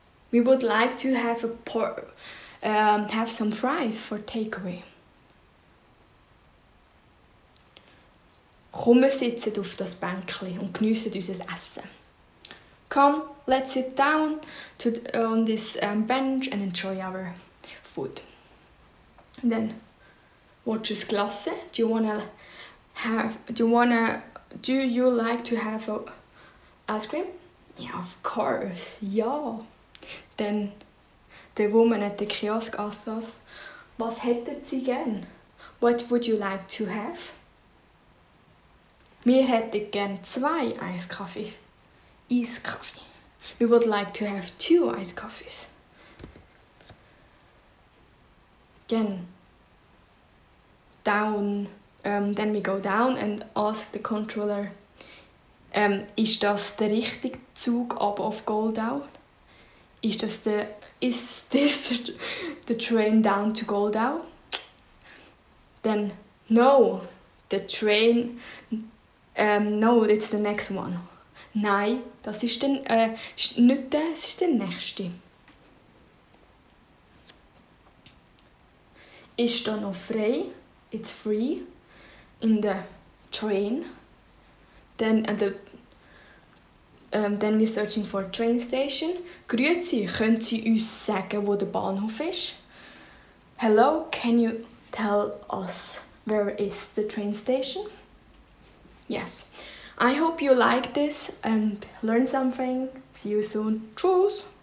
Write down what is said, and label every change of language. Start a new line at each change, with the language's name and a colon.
English: We would like to have some fries for takeaway.
German: Kommen sitzen auf das Bänkli und geniessen unser Essen.
English: Come, let's sit down on this bench and enjoy our food. And then, watch us glasse. Do you like to have a ice cream? Yeah, of course, ja. Then the woman at the kiosk asked us,
German: was hätten Sie gern?
English: What would you like to have?
German: Wir hätten gern zwei Eiskaffees. Eiskaffee.
English: We would like to have two Eiskaffees. Then we go down and ask the controller,
German: ist das der richtige Zug ab auf Goldau?
English: Is this the train down to Goldau? Then, no, the train, no, it's the next one.
German: Nein, das ist dann nicht der, das ist der nächste. Ist da noch frei?
English: It's free in the train. Then we're searching for a train station.
German: Grüezi, können Sie uns sagen, wo der Bahnhof ist?
English: Hello, can you tell us where is the train station? Yes. I hope you like this and learn something. See you soon.
German: Tschüss!